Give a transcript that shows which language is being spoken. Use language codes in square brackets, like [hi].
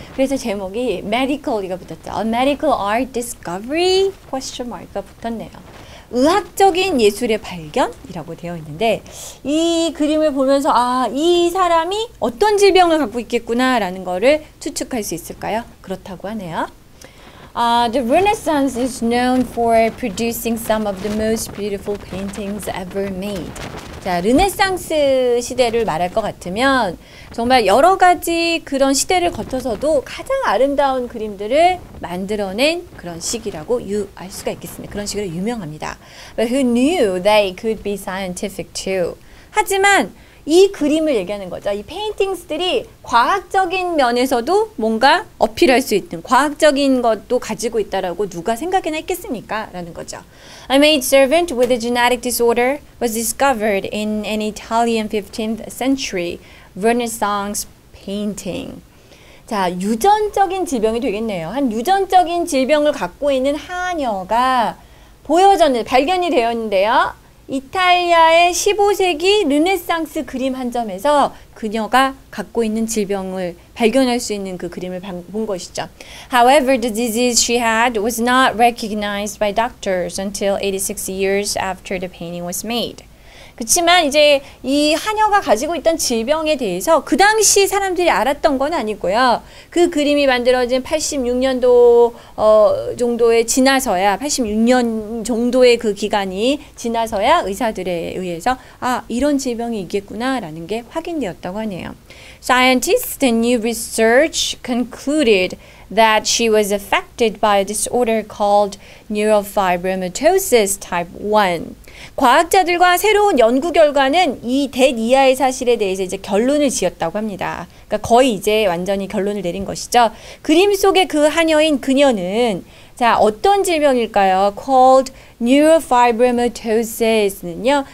[ko] 그래서 제목이 medical이가 붙었죠. [en] A medical art discovery? [ko] Question mark가 붙었네요. 의학적인 예술의 발견이라고 되어 있는데 이 그림을 보면서 아, 이 사람이 어떤 질병을 갖고 있겠구나라는 거를 추측할 수 있을까요? 그렇다고 하네요. [en] The Renaissance is known for producing some of the most beautiful paintings ever made. [ko] 자, 르네상스 시대를 말할 것 같으면 정말 여러 가지 그런 시대를 거쳐서도 가장 아름다운 그림들을 만들어낸 그런 시기라고 알 수가 있겠습니다. 그런 시기로 유명합니다. [en] But who knew they could be scientific too? [ko] 하지만 이 그림을 얘기하는 거죠. 이 페인팅스들이 과학적인 면에서도 뭔가 어필할 수 있는 과학적인 것도 가지고 있다라고 누가 생각이나 했겠습니까? 라는 거죠. [en] A maid servant with a genetic disorder was discovered in an Italian 15th century Renaissance painting. [ko] 자, 유전적인 질병이 되겠네요. 한 유전적인 질병을 갖고 있는 하녀가 보여졌는데 발견이 되었는데요. 이탈리아의 15세기 르네상스 그림 한 점에서 그녀가 갖고 있는 질병을 발견할 수 있는 그 그림을 본 것이죠. [en] However, the disease she had was not recognized by doctors until 86 years after the painting was made. [ko] 그렇지만 이제 이 하녀가 가지고 있던 질병에 대해서 그 당시 사람들이 알았던 건 아니고요. 그 그림이 만들어진 86년도 정도에 지나서야 86년 정도의 그 기간이 지나서야 의사들에 의해서 아, 이런 질병이 있겠구나라는 게 확인되었다고 하네요. [en] Scientists and new research concluded that she was affected by a disorder called neurofibromatosis type 1. [ko] 과학자들과 새로운 연구 결과는 이 댓 이하의 사실에 대해서 이제 결론을 지었다고 합니다. 그러니까 거의 이제 완전히 결론을 내린 것이죠. 그림 속의 그 하녀인 그녀는 자, 어떤 질병일까요? called neurofibromatosis는요.